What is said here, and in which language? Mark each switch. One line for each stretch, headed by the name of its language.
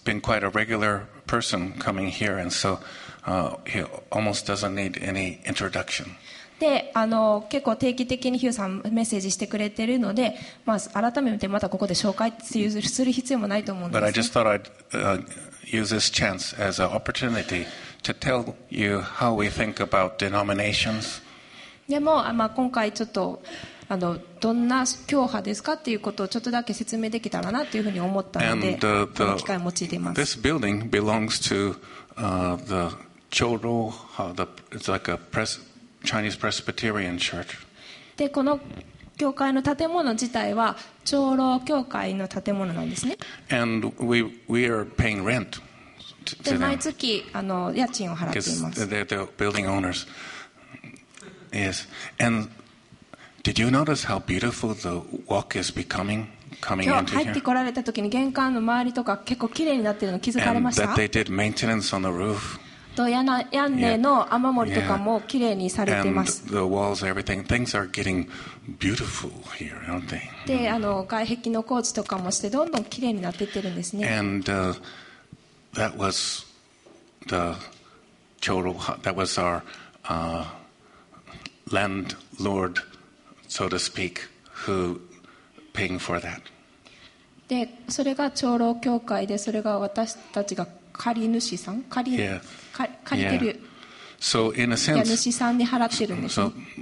English: And he's been quite a regular person coming here, and so he almost doesn't need any introduction.
Japanese: で結構定期的にヒューさんメッセージしてくれているので、まあ、改めてまたここで紹介する必要もないと思うんですね。
English: But I just thought I'd use this chance as an opportunity to tell you how we think about denominations.
Japanese: でも、まあ、今回ちょっとどんな教派ですかっていうことをちょっとだけ説明できたらなというふうに思ったので、この機会を用いています。
English: This building belongs to the Choro, it's like a press. Chinese Presbyterian Church.
Japanese: で、この教会の建物自体は長老教会の建物なんですね。
English: And we are paying rent to them.
Japanese: で、毎月家賃を払っています。
English: Because they're the building owners. Yes. And did you notice how beautiful the walk is becoming coming into here?
Japanese: 今日入ってこられた時に玄関の周りとか結構綺麗になっているの気づかれました。
English: And that they did maintenance on the roof.
Japanese: 屋根の雨漏りとかもきれいにされています。
English: The walls, everything, things are getting beautiful here, aren't they?
Japanese: で、外壁の工事とかもしてどんどんきれいになっていってるんですね。
English: And that was the Choro, that was our landlord, so to speak, who paying for that.
Japanese: で、それが長老教会で、それが私たちが借主さん、借りてる、
English: yeah. so、
Japanese: 家主さんに払ってるんです、ね。